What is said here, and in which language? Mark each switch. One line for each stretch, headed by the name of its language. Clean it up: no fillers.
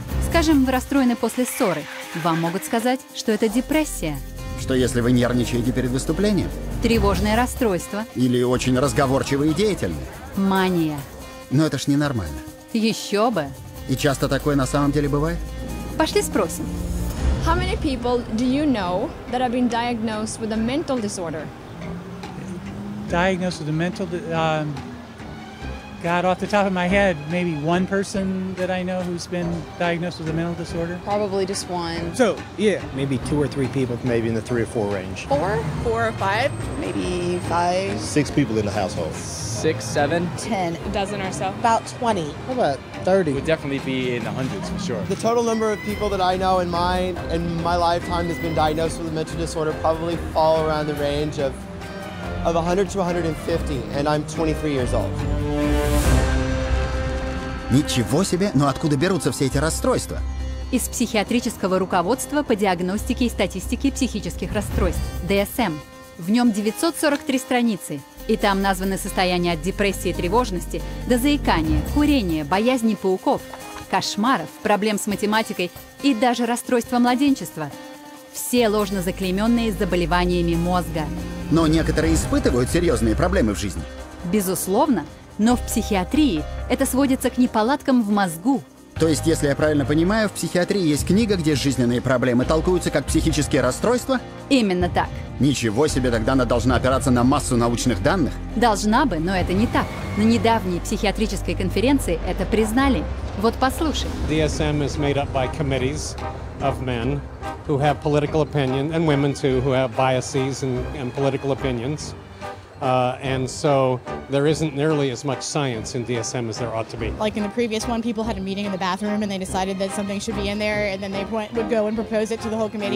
Russian: Скажем, вы расстроены после ссоры. Вам могут сказать, что это депрессия. Что если вы нервничаете перед выступлением? Тревожное расстройство. Или очень разговорчивый и деятельный. Мания. Но это ж ненормально. Еще бы. И часто такое на самом деле бывает? Пошли спросим.
English: How many people do you know that have been diagnosed with a mental disorder? Diagnosed with a mental disorder? God, off the top of my head, maybe one person that I know who's been diagnosed with a mental disorder? Probably just one. So, yeah. Maybe two or three people. Maybe in the three or four range. Four or five? Maybe five. Six people in the household. Six, seven. 10. A dozen or so. About 20. How about 30? Would definitely be in the hundreds, for sure. The total number of people that I know in my lifetime has been diagnosed with a mental disorder probably all around the range of 100 to 150, and I'm 23 years old.
Russian: Ничего себе, но откуда берутся все эти расстройства? Из психиатрического руководства по диагностике и статистике психических расстройств, DSM. В нем 943 страницы, и там названы состояния от депрессии и тревожности до заикания, курения, боязни пауков, кошмаров, проблем с математикой и даже расстройства младенчества. Все ложно заклейменные заболеваниями мозга. Но некоторые испытывают серьезные проблемы в жизни. Безусловно. Но в психиатрии это сводится к неполадкам в мозгу. То есть, если я правильно понимаю, в психиатрии есть книга, где жизненные проблемы толкуются как психические расстройства? Именно так. Ничего себе, тогда она должна опираться на массу научных данных? Должна бы, но это не так. На недавней психиатрической конференции это признали. Вот послушай.
English: DSM is made up by committees of men who have political opinion, and women too, who have biases and political opinions. And so there isn't nearly as much science in DSM as there ought to be. Like in the previous one, people had a meeting in the bathroom and they decided that something should be in there and then they would go and propose it to the whole committee.